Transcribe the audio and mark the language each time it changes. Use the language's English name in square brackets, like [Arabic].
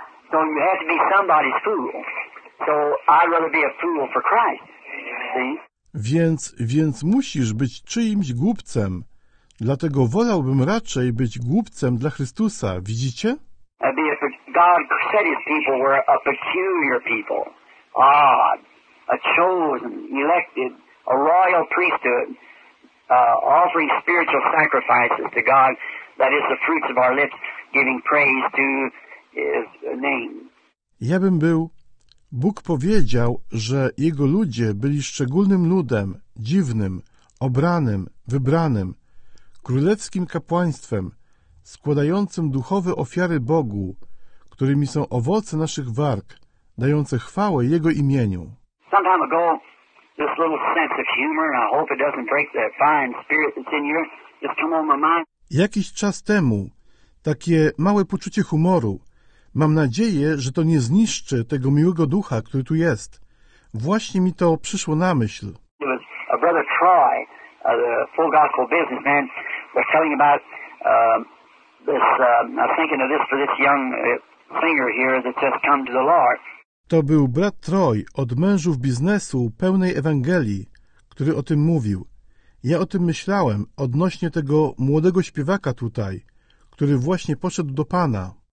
[English] So you have to be somebody's fool. So I'd rather be a fool for Christ. See? [Polish] Więc musisz być czyimś głupcem. Dlatego wolałbym raczej być głupcem dla Chrystusa. Widzicie? [English] God said his people were a peculiar people. Odd. A chosen, elected, a royal priesthood, offering spiritual sacrifices to God, that is the fruits of our lips, giving praise to his name. [Polish] Ja bym był. Bóg powiedział, że jego ludzie byli szczególnym ludem, dziwnym, obranym, wybranym, królewskim kapłaństwem, składającym duchowe ofiary Bogu, którymi są owoce naszych warg, dające chwałę jego imieniu. [English] Sometime ago, this little sense of humor, and I hope it doesn't break the fine spirit that's in you, just come on my mind. [Polish] Jakiś czas temu, takie małe poczucie humoru, mam nadzieję, że to nie zniszczy tego miłego ducha, który tu jest. Właśnie mi to przyszło na myśl. [English] It was a brother Troy, the full gospel businessman, was telling about this, I'm thinking of this for this young singer here that just come to the Lord. [Polish] To był brat Troy od mężów biznesu pełnej Ewangelii, który o tym mówił. Ja o tym myślałem odnośnie tego młodego śpiewaka tutaj, który właśnie poszedł do Pana.